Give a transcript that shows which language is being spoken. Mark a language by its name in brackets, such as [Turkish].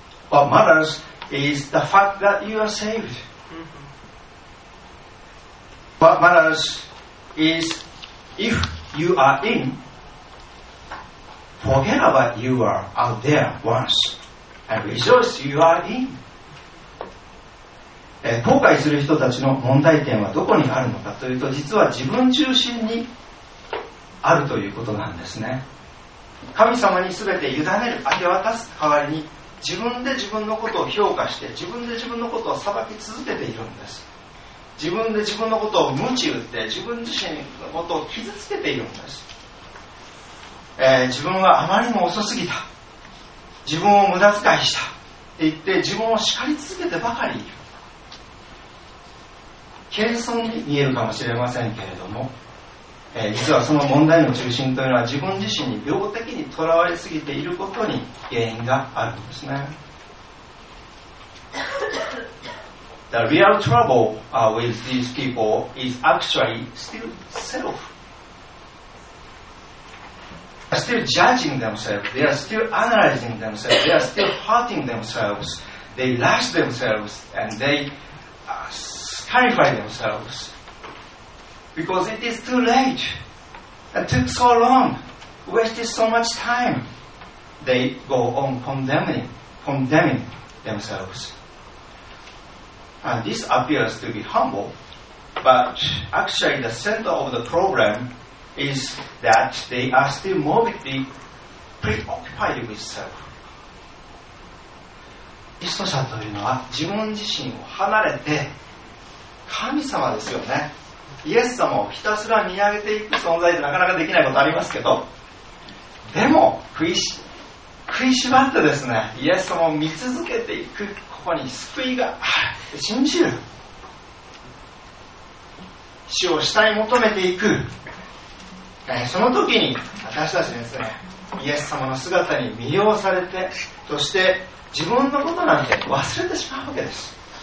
[English] What matters is the fact that you are saved. Mm-hmm. What matters is if you are in, forget about you are out there once and rejoice you are in. [Japanese] 後悔する人たちの問題点はどこにあるのかというと、実は自分中心にあるということなんですね。神様に全て委ねる、明け渡す代わりに自分で自分のことを評価して自分で自分のことを裁き続けているんです。自分で自分のことを鞭打って自分自身のことを傷つけているんです。自分はあまりにも遅すぎた、自分を無駄遣いしたって言って自分を叱り続けてばかりいる。謙遜に見えるかもしれませんけれども、実はその問題の中心というのは自分自身に病的にとらわれすぎていることに原因があるんですね。 [English] The real trouble with these people is actually still self. They are still judging themselves. They are still analyzing themselves. They are still hurting themselves. They lash themselves and they scarify themselves. Because it is too late and took so long, wasted so much time, they go on condemning themselves. And this appears to be humble, but actually the center of the problem is that they are still morbidly preoccupied with self. [Japanese] リスト者というのは自分自身を離れて神様ですよね。イエス様をひたすら見上げていく存在ってなかなかできないことありますけど、でも食いしばってですね、イエス様を見続けていく、ここに救いがあるって信じる、死を下に求めていく、その時に私たちですね、イエス様の姿に魅了されて、そして自分のことなんて忘れてしまうわけです。